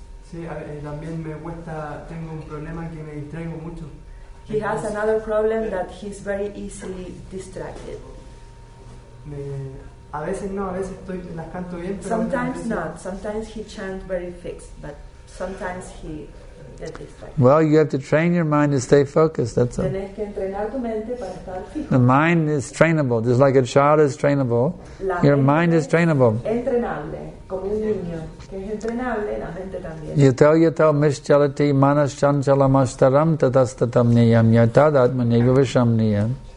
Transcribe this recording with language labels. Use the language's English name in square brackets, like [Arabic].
[Spanish] Sí, también me cuesta, tengo un problema que me distraigo mucho. [English] He has another problem that he's very easily distracted. [Spanish] A veces no, a veces estoy las canto bien. [English] Sometimes not. Sometimes he chants very fixed, but sometimes he. Well, you have to train your mind to stay focused, that's all. The mind is trainable, just like a child is trainable. Your mind is trainable. You tell yourself, [Sanskrit] Mishchalati manas chanchala mastaram tadastatam niyam yatadatma nivivisham niyam.